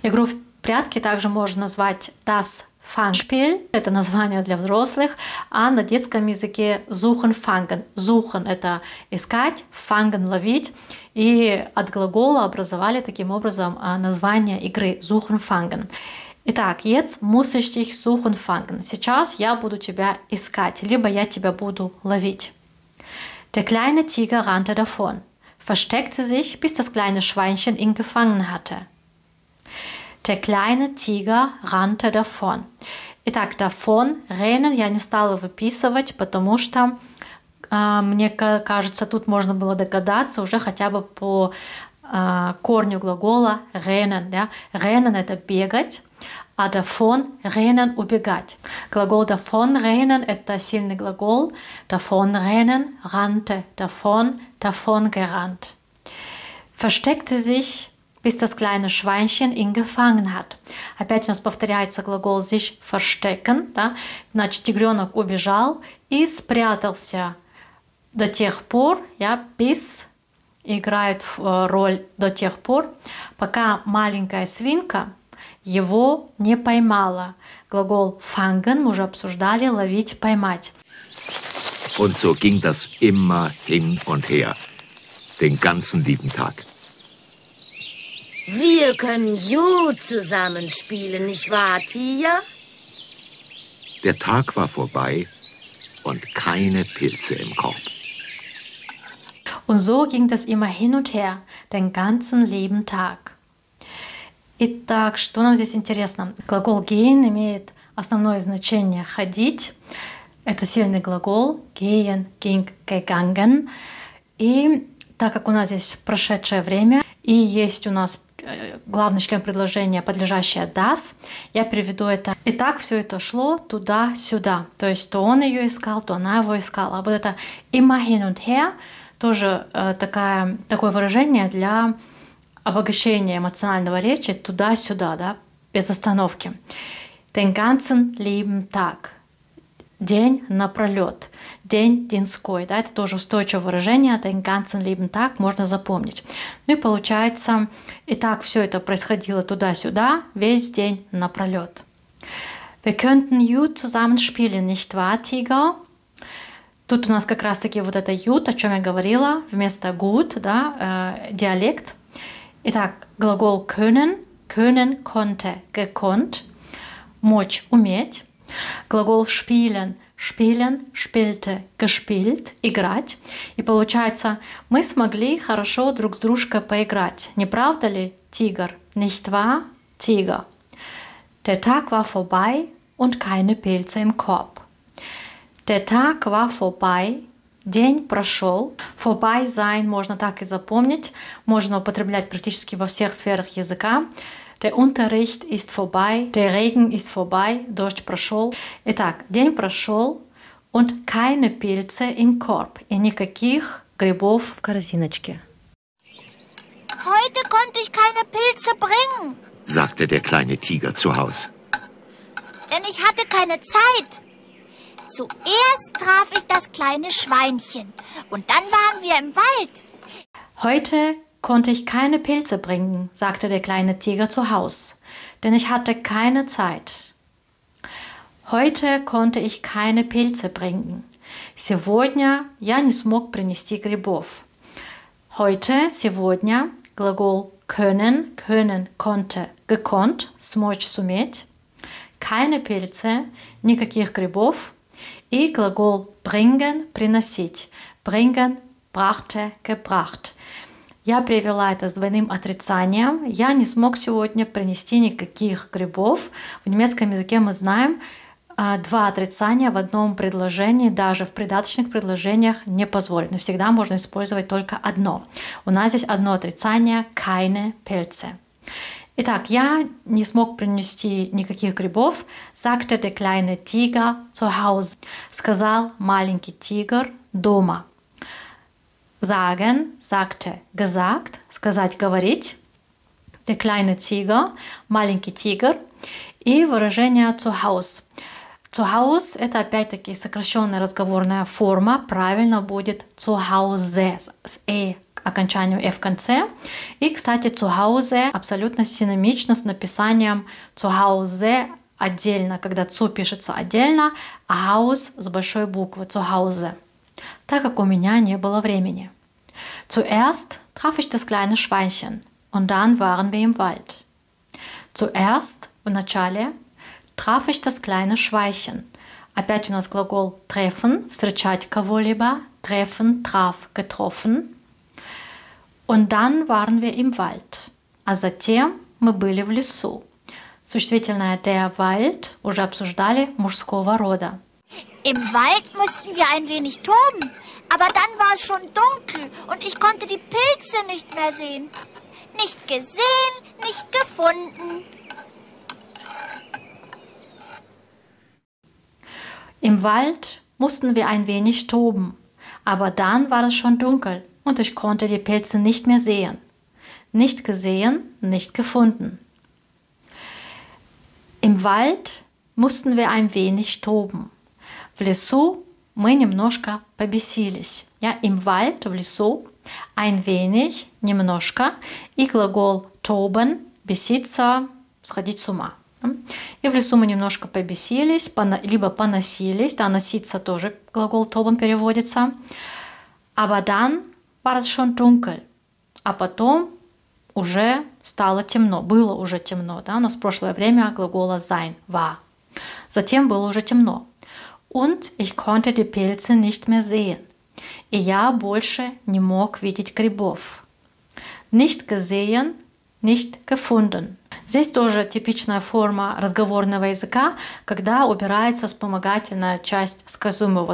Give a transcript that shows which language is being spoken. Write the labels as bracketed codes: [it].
[ru] Игру в прятки также можно назвать «das». Fangspiel – это название для взрослых, а на детском языке suchen, fangen. Suchen – это искать, fangen – ловить. И от глагола образовали таким образом название игры suchen, fangen. [de] Итак, jetzt muss ich dich suchen, fangen. [ru] Сейчас я буду тебя искать, либо я тебя буду ловить. [de] Der kleine Tiger rannte davon, versteckte sich, bis das kleine Schweinchen ihn gefangen hatte. Der kleine Tiger rannte davon. [ru] Итак, davon, rennen, я не стала выписывать, потому что мне кажется, тут можно было догадаться уже хотя бы по корню глагола rennen. Да? Rennen – это бегать, а davon, rennen – убегать. Глагол davon, rennen – это сильный глагол. [de] Davon, rennen, rannte, davon, davon gerannt. Versteckte sich bis das kleine Schweinchen ihn gefangen hat. [ru] Опять у нас повторяется глагол sich verstecken, да? Значит, тигренок убежал и спрятался до тех пор, ja, bis играет роль до тех пор, пока маленькая свинка его не поймала. Глагол fangen мы уже обсуждали, ловить, поймать. [de] Und so ging das immer hin und her, den ganzen lieben Tag. Wir können gut zusammenspielen, nicht wahr, Tia? Der Tag war vorbei und keine Pilze im Korb. Und so ging das immer hin und her, den ganzen Leben Tag. [ru] Итак, что нам здесь интересно? Глагол gehen имеет основное значение ходить. Это сильный глагол gehen, ging, gegangen. И так как у нас здесь прошедшее время, и есть у нас главный член предложения, подлежащее das, я переведу это. Итак, все это шло туда-сюда. То есть то он ее искал, то она его искала. А вот это [de] immer hin und her [ru] тоже такое выражение для обогащения эмоционального речи туда-сюда, да, без остановки. [de] Den ganzen Leben Tag. [ru] День напролет. День динской, да, это тоже устойчивое выражение, [de] den ganzen Leben Tag, [ru] можно запомнить. Ну и получается, и так все это происходило туда-сюда, весь день напролет. [de] Wir könnten gut zusammen spielen, nicht wahr, Tiger? [ru] Тут у нас как раз-таки вот это gut, о чем я говорила, вместо gut, да, диалект. Итак, глагол können, können, konnte, gekonnt, мочь, уметь. Глагол spielen, spielen, spielte, gespielt, играть. И получается, мы смогли хорошо друг с дружкой поиграть. Не правда ли, Тигр? [de] Nicht wahr, Tiger? Der Tag war vorbei und keine Pilze im Korb. Der Tag war vorbei. [ru] День прошел. Vorbei sein можно так и запомнить. Можно употреблять практически во всех сферах языка. [de] Der Unterricht ist vorbei. Der Regen ist vorbei. [ru] Дождь прошел. Итак, день прошел. [de] Und keine Pilze im Korb. [ru] И никаких грибов в корзиночке. [de] Heute konnte ich keine Pilze bringen, sagte der kleine Tiger zu Hause. Denn ich hatte keine Zeit. Zuerst traf ich das kleine Schweinchen und dann waren wir im Wald. Heute konnte ich keine Pilze bringen, sagte der kleine Tiger zu Haus, denn ich hatte keine Zeit. Heute konnte ich keine Pilze bringen. [ru] Сегодня я не смог принести грибов. Heute, сегодня, глагол können, können, konnte, gekonnt, смочь, суметь. Keine Pilze, никаких грибов. И глагол bringen – приносить. Bringen – brachte, gebracht. Я привела это с двойным отрицанием. Я не смог сегодня принести никаких грибов. В немецком языке мы знаем два отрицания в одном предложении. Даже в придаточных предложениях не позволено. Всегда можно использовать только одно. У нас здесь одно отрицание – [de] keine Pilze. [ru] Итак, я не смог принести никаких грибов, [de] sagte der kleine Tiger zu Hause, [ru] сказал маленький тигр дома. [de] Sagen, sagte, gesagt, [ru] сказать, говорить. [de] Der kleine Tiger, [ru] маленький тигр. И выражение zu Hause. Zu Hause – это опять-таки сокращенная разговорная форма, правильно будет zu Hause с «э». Окончанию «э» в конце. И, кстати, «zuhause» абсолютно синонимично с написанием «zuhause» отдельно, когда «zu» пишется отдельно, а «haus» с большой буквы «zuhause», так как у меня не было времени. [de] «Zuerst traf ich das kleine Schweinchen, und dann waren wir im Wald». «Zuerst» [ru] в начале [de] «traf ich das kleine Schweinchen». [ru] Опять у нас глагол «treffen» – «встречать кого-либо». [de] «Treffen» – «traf» – «getroffen». Und dann waren wir im Wald. [ru] А затем мы были в лесу. Существительное der Wald уже обсуждали мужского рода. [de] Im Wald mussten wir ein wenig toben, aber dann war es schon dunkel und ich konnte die Pilze nicht mehr sehen. Nicht gesehen, nicht gefunden. Im Wald mussten wir ein wenig toben, aber dann war es schon dunkel. Und ich konnte die Pilze nicht mehr sehen. Nicht gesehen, nicht gefunden. Im Wald mussten wir ein wenig toben. [ru] В лесу мы немножко побесились. [de] Ja, im Wald, [ru] в лесу, [de] ein wenig, [ru] немножко. И глагол toben, беситься, сходить с ума. И в лесу мы немножко побесились, либо поносились. Да, носиться тоже глагол toben переводится. [de] Aber dann war es schon dunkel. [ru] А потом уже стало темно. Было уже темно, да? У нас прошлое время глагола sein, war. Затем было уже темно. [de] Und ich konnte die Pilze nicht mehr sehen. [ru] и я больше не мог видеть грибов. [de] Nicht gesehen, nicht gefunden. [ru] Здесь тоже типичная форма разговорного языка, когда убирается вспомогательная часть сказуемого.